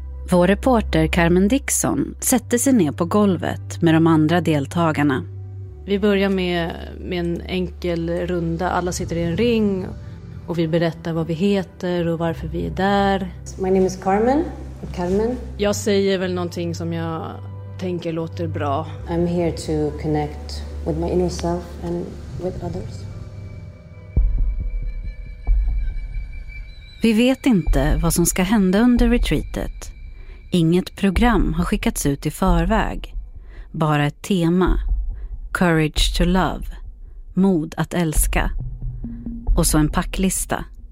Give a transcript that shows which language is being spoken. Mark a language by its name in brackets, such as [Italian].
[Swedish] Vår reporter Carmen Dickson sätter sig ner på golvet med de andra deltagarna. Vi börjar med en enkel runda. Alla sitter i en ring och vi berättar vad vi heter och varför vi är där. [English] My name is Carmen. Carmen. [Swedish] Jag säger väl någonting som jag tänker låter bra. [English] I'm here to connect with my inner self and with others. [Swedish] Vi vet inte vad som ska hända under retreatet. Inget program har skickats ut i förväg. Bara ett tema. [English] Courage to love. [Swedish] Mod att älska. Och så en packlista.